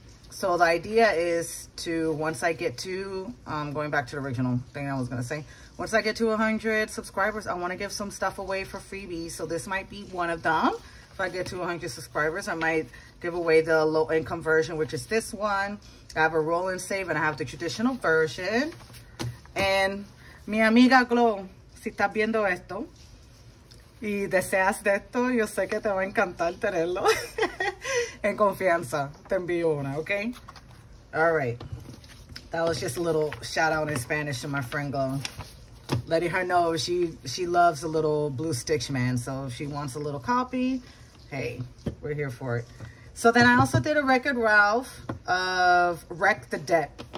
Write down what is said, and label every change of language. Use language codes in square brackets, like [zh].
[en] So the idea is to, once I get to, going back to the original thing I was going to say, once I get to 100 subscribers, I want to give some stuff away for freebies. So this might be one of them. If I get to 100 subscribers, I might give away the low income version, which is this one. I have a roll and save and I have the traditional version. And [es] mi amiga Glow, si estás viendo esto y deseas de esto, yo sé que te va a encantar tenerlo en confianza. Te envío una, [en] okay? All right. That was just a little shout out in Spanish to my friend Glow. Letting her know she loves a little blue stitch man. So if she wants a little copy, hey, we're here for it. So then I also did a record Ralph of Wreck the Deck.